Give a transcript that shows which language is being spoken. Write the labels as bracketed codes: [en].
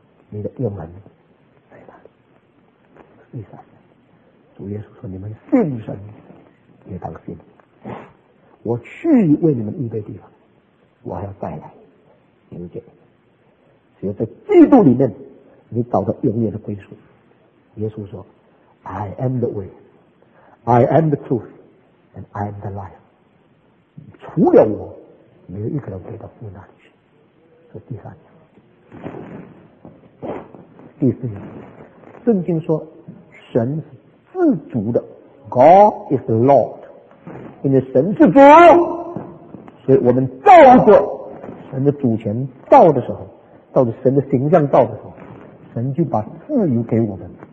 [zh] 你的永恒在哪里？第三，主耶稣说，你们信神也当信，我去为你们预备地方，我还要再来迎接。只有在基督里面你找到永远的归宿。耶稣说， [en] I am the way, I am the truthAnd I am the life. [zh] 除了我，没有一个人可以到父那里去。这是第三点。第四点，圣经说神是自主的， [en] God is the Lord. [zh] 因为神是主，所以我们照着神的主权造的时候，照着神的形象造的时候，神就把自由给我们。